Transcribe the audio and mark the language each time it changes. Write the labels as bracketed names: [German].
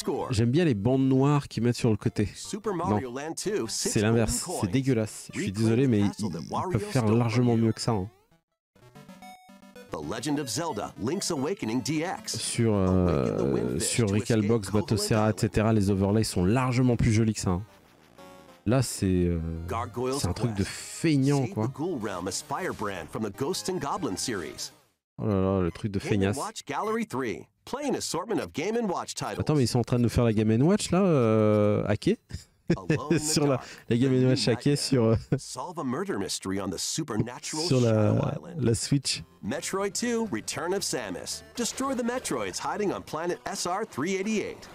[French] J'aime bien les bandes noires qu'ils mettent sur le côté. Super Mario Land 2, c'est l'inverse, c'est dégueulasse. Je suis désolé, mais ils peuvent faire largement mieux que ça. Hein. The Legend of Zelda, Link's Awakening DX. Sur Recalbox, Batocera, etc. Les overlays sont largement plus jolis que ça. Hein. Là, c'est un truc de feignant, quoi. [English] Ghoul Realm, from the Ghosts and Goblins series. [French] Oh là là, le truc de feignasse. Game & Watch Gallery 3. [English] Play an assortment of Game & Watch titles. [French] Attends, mais ils sont en train de nous faire la Game & Watch, là, hackée. Sur la Game & Watch hackée sur [English] solve a murder mystery on the supernatural [French] sur la Switch. [English] Metroid 2 Return of Samus. Destroy the Metroids hiding on planet SR388.